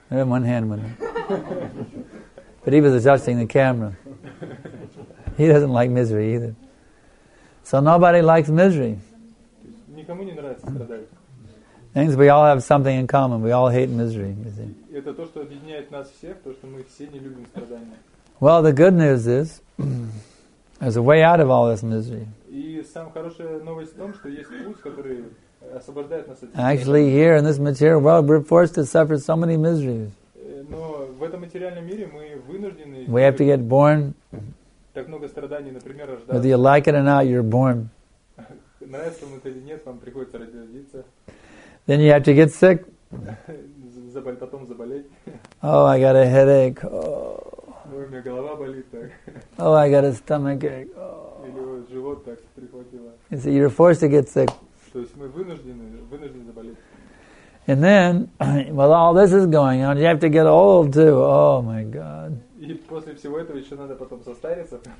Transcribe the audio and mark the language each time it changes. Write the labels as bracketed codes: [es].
[en] One hand, one hand. But he was adjusting the camera. He doesn't like misery either. So nobody likes misery. [ru] Никому не нравится страдать. [en] Things we all have something in common. We all hate misery. [ru] Это то, что объединяет нас всех, то, что мы все не любим страдания. [en] Well, the good news is, there's a way out of all this misery. [ru] И самая хорошая новость в том, что есть путь, который освобождает нас от этого. [en] Actually, here in this material world, we're forced to suffer so many miseries. [ru] Но в этом материальном мире мы вынуждены. [en] We have to get born. [ru] Так много страданий, например, рождаться. [en] Whether you like it or not, you're born. [ru] Нравится вам это или нет, вам приходится родиться. [en] Then you have to get sick. [ru] Потом заболеть. [en] Oh, I got a headache. Oh. [ru] Ой, у меня голова болит так. [en] Oh, I got a stomach ache. Oh. [ru] Или вот живот так прихватило. [en] You see, you're forced to get sick. [ru] То есть мы вынуждены заболеть. [en] And then, while all this is going on, you have to get old too. Oh my God. [ru] И после всего этого еще надо потом состариться.